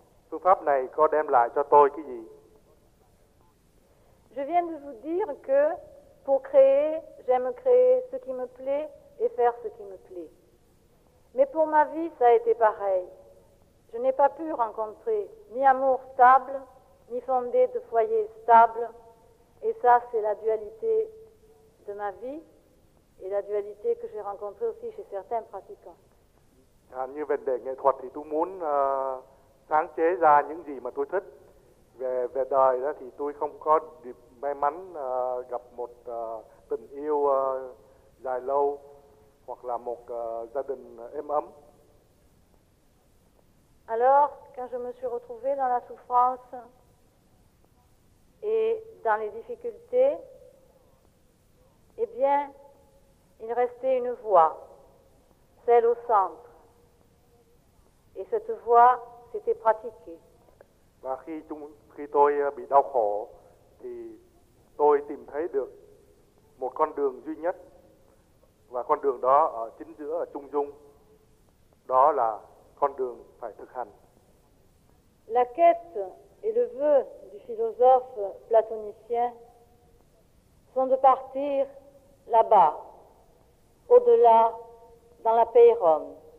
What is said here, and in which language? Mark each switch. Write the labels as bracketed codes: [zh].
[vi] Phương pháp này có đem lại cho tôi cái gì? [fr] Je viens de vous dire que pour créer, j'aime créer ce qui me plaît. Et faire ce qui me plaît. Mais pour ma vie, ça a été pareil. Je n'ai pas pu rencontrer ni amour stable, ni fonder de foyer stable. Et ça, c'est la dualité de ma vie et la dualité que j'ai rencontrée aussi chez certains pratiquants. [vi] À, như vấn đề nghệ thuật thì tôi muốn sáng chế ra những gì mà tôi thích. Về đời đó thì tôi không có dịp may mắn gặp một tình yêu dài lâu. Hoặc là một gia đình êm ấm. [fr] Alors, quand je me suis retrouvée dans la souffrance et dans les difficultés, eh bien, il restait une voix, celle au centre. Et cette voix, c'était pratiquée. [vi] Và khi tôi bị đau khổ, thì tôi tìm thấy được một con đường duy nhất. Và con đường đó ở chính giữa ở trung dung đó là con đường phải thực hành. [fr] La quête et le vœu du philosophe platonicien sont de partir là-bas, au-delà, dans la Péronne.